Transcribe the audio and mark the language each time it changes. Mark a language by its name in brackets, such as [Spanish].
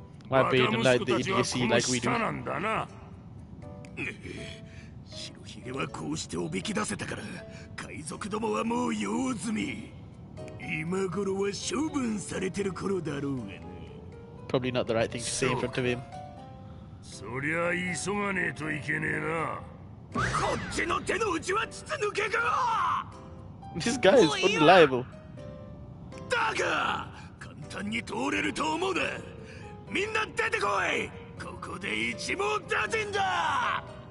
[English] Why be in like the idiocy like we do? [Japanese] Shirohige はこうしておびき出せたから、海賊どもはもう用済み。今頃は処分されてる頃だろうがね。 [English] Probably not the right thing to say in front of him. [Japanese] そりゃ急がねえといけねえな。こっちの手の内は筒抜けか。 [English] This guy is unreliable. [Japanese] だが、簡単に通れると思うな。みんな出てこい。ここで一網打尽だ。